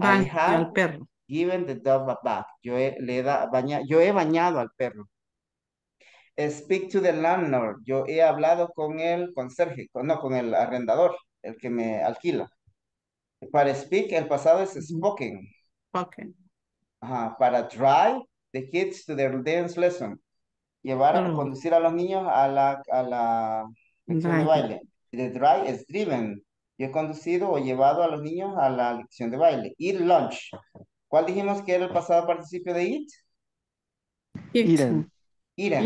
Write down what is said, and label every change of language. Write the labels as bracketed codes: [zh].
[es] baño al [en] have [es] perro. [en] given the dog a bath. [es] Yo he bañado al perro. [en] Speak to the landlord. [es] Yo he hablado con el conserje, no con el arrendador, el que me alquila. Para speak, el pasado es spoken. Ajá. [en] Para drive the kids to their dance lesson. Oh. [es] Conducir a los niños a la lección de Baile. baile. The drive es driven. Yo he conducido o llevado a los niños a la lección de baile. [en] Eat lunch. [es] ¿Cuál dijimos que era el pasado participio de eat? [en] Eden. Eaten. Eden.